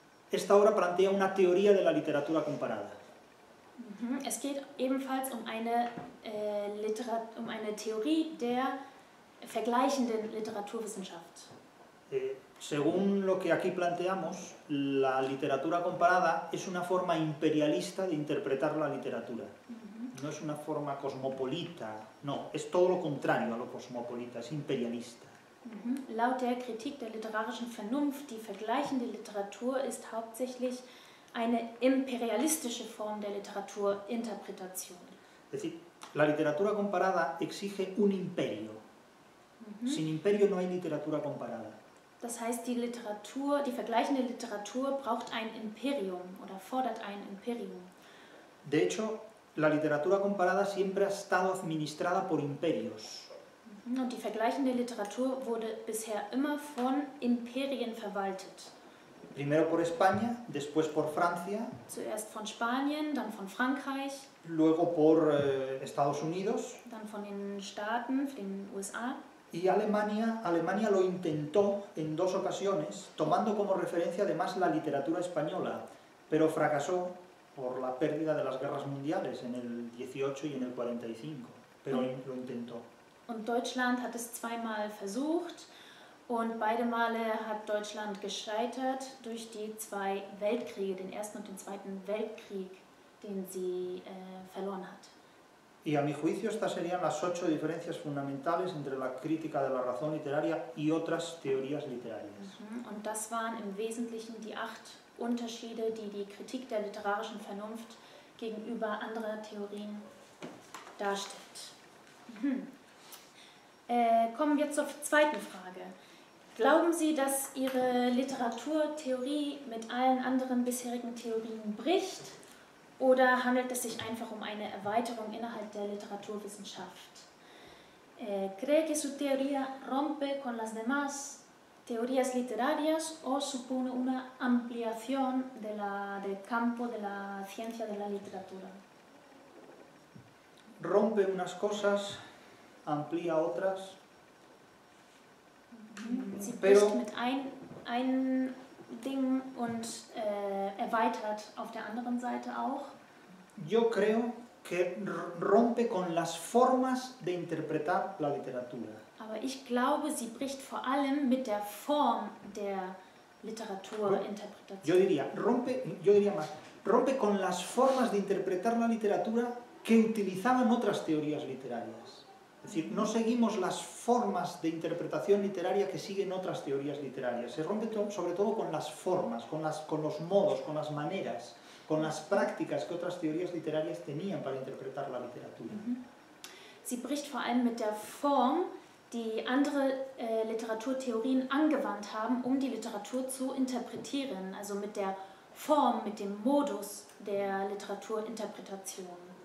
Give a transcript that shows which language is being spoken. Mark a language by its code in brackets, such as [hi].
[es] Esta obra plantea una teoría de la literatura comparada. [de] Es geht ebenfalls um eine Theorie der vergleichenden Literaturwissenschaft. [es] Según lo que aquí planteamos, la literatura comparada es una forma imperialista de interpretar la literatura. No es una forma cosmopolita, no, es todo lo contrario a lo cosmopolita, es imperialista. [de] Laut der Kritik der literarischen Vernunft, die vergleichende Literatur ist hauptsächlich eine imperialistische Form der Literaturinterpretation. [es] Es decir, la literatura comparada exige un imperio. Sin imperio no hay literatura comparada. [de] Das heißt, die Literatur, die vergleichende Literatur braucht ein Imperium oder fordert ein Imperium. [es] De hecho, la literatura comparada siempre ha estado administrada por imperios. [de] Und die vergleichende Literatur wurde bisher immer von Imperien verwaltet. [es] Primero por España, después por Francia. [de] Zuerst von Spanien, dann von Frankreich. [es] Luego por Estados Unidos. [de] Dann von den Staaten, den USA. [es] Y Alemania lo intentó en dos ocasiones, tomando como referencia además la literatura española, pero fracasó por la pérdida de las guerras mundiales en el 18 y en el 45, pero lo intentó. [de] Und Deutschland hat es zweimal versucht und beide Male hat Deutschland gescheitert durch die zwei Weltkriege, den ersten und den zweiten Weltkrieg, den sie verloren hat. [es] Y a mi juicio estas serían las 8 diferencias fundamentales entre la crítica de la razón literaria y otras teorías literarias. Uh-huh. [de] Und das waren im Wesentlichen die 8 Unterschiede, die die Kritik der literarischen Vernunft gegenüber anderen Theorien darstellt. Uh-huh. Kommen wir zur zweiten Frage. Glauben Sie, dass Ihre Literaturtheorie mit allen anderen bisherigen Theorien bricht? Oder handelt es sich einfach um eine Erweiterung innerhalb der Literaturwissenschaft? [es] ¿Cree que su teoría rompe con las demás teorías literarias o supone una ampliación de la, del campo de la ciencia de la literatura? Rompe unas cosas, amplía otras. [de] Sie bricht mit ein Ding und erweitert auf der anderen Seite auch. [es] Yo creo que rompe con las formas de interpretar la literatura. [de] Aber ich glaube, sie bricht vor allem mit der Form der Literaturinterpretation. [es] Yo diría más, rompe con las formas de interpretar la literatura que utilizaban otras teorías literarias. Es decir, no seguimos las formas de interpretación literaria que siguen otras teorías literarias. Se rompe sobre todo con las formas, con los modos, con las maneras, con las prácticas que otras teorías literarias tenían para interpretar la literatura. [de] Sie bricht vor allem mit der Form, die andere Literaturtheorien angewandt haben, um die Literatur zu interpretieren. Also mit der Form, mit dem Modus der Literaturinterpretation.